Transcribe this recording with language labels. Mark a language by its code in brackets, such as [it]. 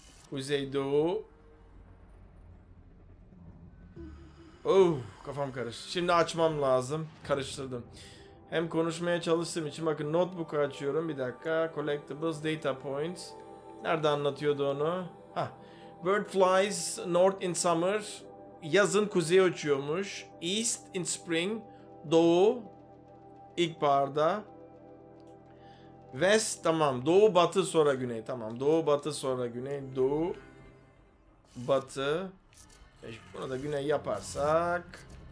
[tr] Kuzey, doğu. Kafam karıştı. Şimdi açmam lazım. Karıştırdım. Hem konuşmaya çalıştığım için bakın notebook'u açıyorum. Bir dakika. [en] Collectibles, data points. [tr] Nerede anlatıyordu onu? Ha. [en] Bird flies north in summer. [tr] Yazın kuzeye uçuyormuş. [en] East in spring. [tr] Doğu. İlkbaharda. [en] West, tamam. [tr] Doğu, batı, sonra güney. Tamam. Doğu, batı, sonra güney. Doğu. Batı. Bunu da güney yaparsak.